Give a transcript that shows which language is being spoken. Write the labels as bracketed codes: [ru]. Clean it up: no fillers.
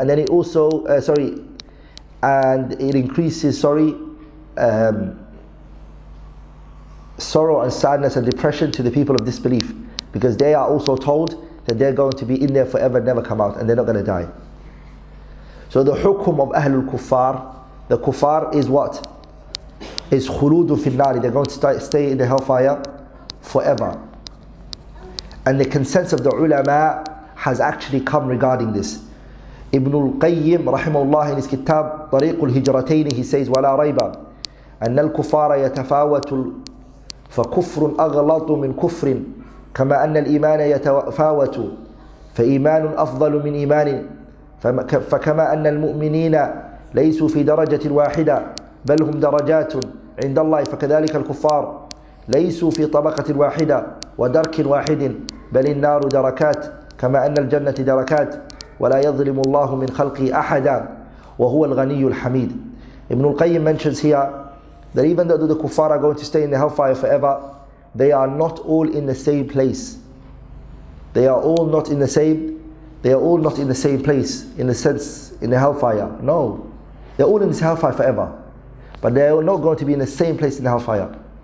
[en] And then it increases sorrow and sadness and depression to the people of disbelief, because they are also told that they're going to be in there forever, never come out, and they're not going to die. So the hukum of Ahlul Kuffar, the Kuffar is what? Is [ar] khuludu finnari, [en] they're going to stay in the hellfire forever. And the consensus of the ulama has actually come regarding this. Ibn al-Qayyim rahimahullah in his kitab Tariqul Hijratayn, he says, [ar] وَلَا رَيْبَ أَنَّ الْكُفَّارَ يَتَفَاوَتُ فكفر أغلط من كفر كما أن الإيمان يتفاوت فإيمان أفضل من إيمان فكما أن المؤمنين ليسوا في درجة واحدة بل هم درجات عند الله فكذلك الكفار ليسوا في طبقة واحدة ودرك واحد بل النار دركات كما أن الجنة دركات ولا يظلم الله من خلقه أحدا وهو الغني الحميد. [en] Ibn al-Qayyim mentions here that even though the kuffar are going to stay in the hellfire forever, they are not all in the same place. They are all not in the same, they are all not in the same place, in the sense, in the hellfire. No. They're all in this hellfire forever. But they are not going to be in the same place in the hellfire.